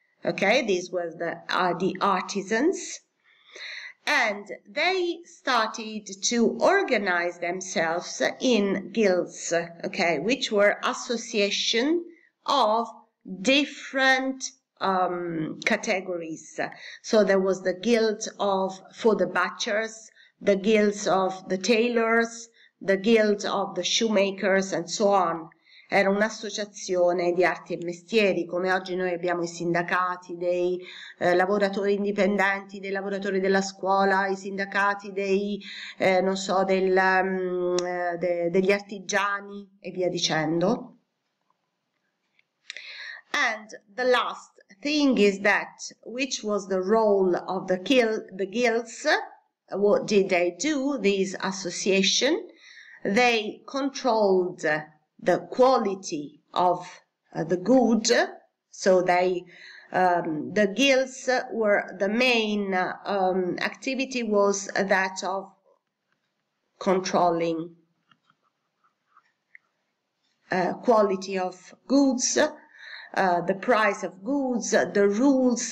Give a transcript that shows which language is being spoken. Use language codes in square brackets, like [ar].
[en] Okay, these were the artisans. And they started to organize themselves in guilds, okay, which were association of different categories. So there was the guild of for the butchers, the guilds of the tailors, the guild of the shoemakers, and so on. [it] Era un'associazione di arti e mestieri, come oggi noi abbiamo i sindacati dei lavoratori indipendenti, dei lavoratori della scuola, i sindacati dei, non so, degli artigiani e via dicendo. [en] And the last thing is that, which was the role of the guilds, what did they do, these associations? They controlled the quality of the good, so they the guilds were the main activity was that of controlling quality of goods, the price of goods, the rules.